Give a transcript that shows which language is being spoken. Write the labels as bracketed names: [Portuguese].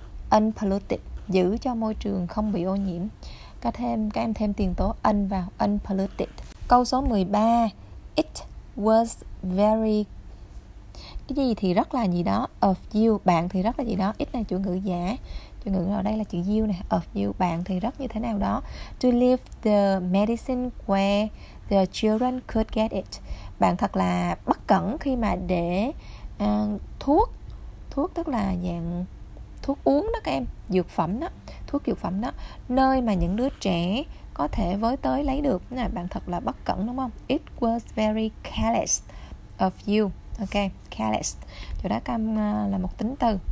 [Vietnamese] Unpolluted, giữ cho môi trường không bị ô nhiễm. Các em thêm tiền tố un vào unpolluted. Câu số 13. [English] It was very, [Vietnamese] cái gì thì rất là gì đó, [English] of you, [Vietnamese] bạn thì rất là gì đó. It là chủ ngữ giả, chủ ngữ ở đây là chữ you nè, [English] of you, [Vietnamese] bạn thì rất như thế nào đó. [English] To leave the medicine where the children could get it. [Vietnamese] Bạn thật là bất cẩn khi mà để thuốc tức là dạng thuốc uống đó các em, dược phẩm đó, thuốc dược phẩm đó, nơi mà những đứa trẻ có thể với tới lấy được. Bạn thật là bất cẩn đúng không? [English] It was very careless of you. Ok, careless, [Vietnamese] chỗ đó cam là một tính từ,